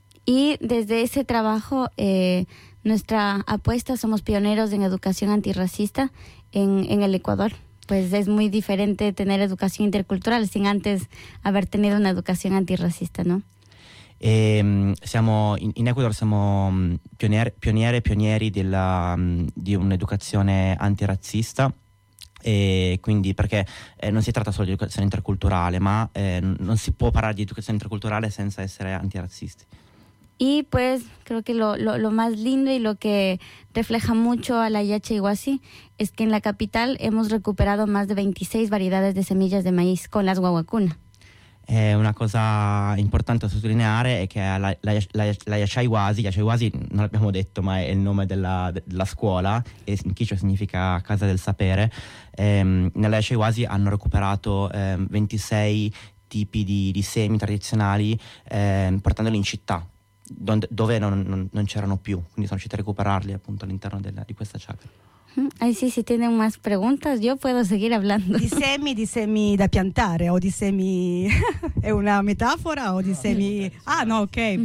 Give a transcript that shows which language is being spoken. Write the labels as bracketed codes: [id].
[es] Y desde ese trabajo, nuestra apuesta, somos pioneros en educación antirracista en el Ecuador. Pues es muy diferente tener educación intercultural sin antes haber tenido una educación antirracista, ¿no? [it] Siamo in Ecuador, siamo pionieri di un'educazione antirazzista. E quindi perché non si tratta solo di educazione interculturale, ma non si può parlare di educazione interculturale senza essere antirazzisti. [es] Y pues creo que lo más lindo y lo que refleja mucho a la IH Iguazi es que en la capital hemos recuperado más de 26 variedades de semillas de maíz con las wawakuna. [it] Una cosa importante da sottolineare è che la IH Iguazi non l'abbiamo detto, ma è il nome della scuola, e in Kichwa significa casa del sapere. Nella IH Iguazi hanno recuperato 26 tipi di semi tradizionali, portandoli in città, dove non c'erano più, quindi sono riusciti a recuperarli appunto all'interno di questa chakra. [es] Ah, sì, se tienen más preguntas, yo puedo seguir hablando. [it] Di semi da piantare, o di semi è una metafora, o di semi. Ah, no, ok, mm-hmm.